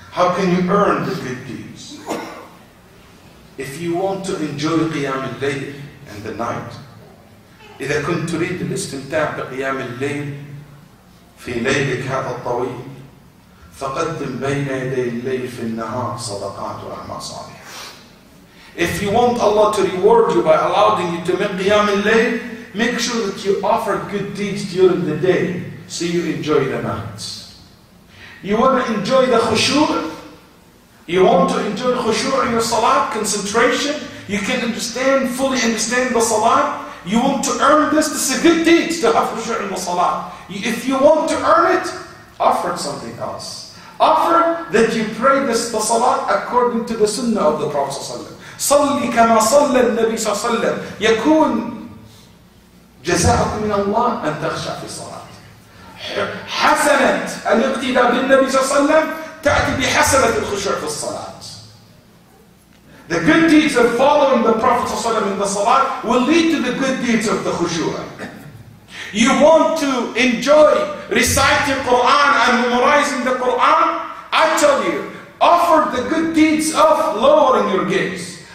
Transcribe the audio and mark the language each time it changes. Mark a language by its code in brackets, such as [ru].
[en] How can you earn the good deeds? If you want to enjoy Qiyam al-Layl and the night, [ar] إذا كنت تريد الاستمتاع بقيام الليل في ليلك هذا الطويل فقدم بين يدي الليل في النهار صدقات وأعمال صالحة. [en] If you want Allah to reward you by allowing you to make qiyam al-layl, make sure that you offer good deeds during the day so you enjoy the night. You want to enjoy the khushu'? You want to enjoy khushu' in your salat, concentration? You can understand, fully understand the salat? You want to earn this? This is a good deed to have khushu' in the salat. If you want to earn it, offer something else. Offer that you pray this the salat according to the sunnah of the Prophet [ar] صلي كما صلى النبي صلى الله عليه وسلم يكون جزاءك من الله أن تخشع في الصلاة حسنة الاقتداء بالنبي صلى الله عليه وسلم تأتي بحسنة الخشوع في الصلاة. [en] The good deeds of following the Prophet [ar] صلى الله عليه وسلم [en] in the salat will lead to the good deeds of the khushu. You want to enjoy reciting Quran and memorizing the Quran, I tell you, offer the good deeds of lowering your gaze.